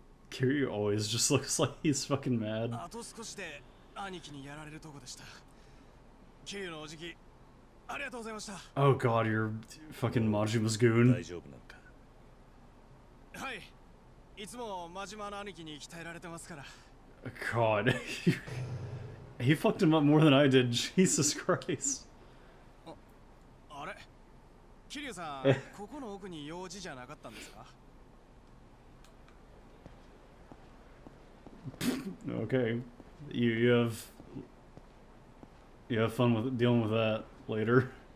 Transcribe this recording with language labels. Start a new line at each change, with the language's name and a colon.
English: Kiryu always just looks like he's fucking mad.
Japanese: あと少しで兄貴にやられるとこでした。キリュウのおじき、ありがとうございました。
English: Oh god, you're fucking Majima's goon.
Japanese: 大丈夫なのか。はい。いつもマジマの兄貴に鍛えられてますから。
English: God, he fucked him up more than I did. Jesus Christ.
Japanese: あれ、キリュウさん、ここの奥に用事じゃなかったんですか。
English: Okay, you have fun with dealing with that later.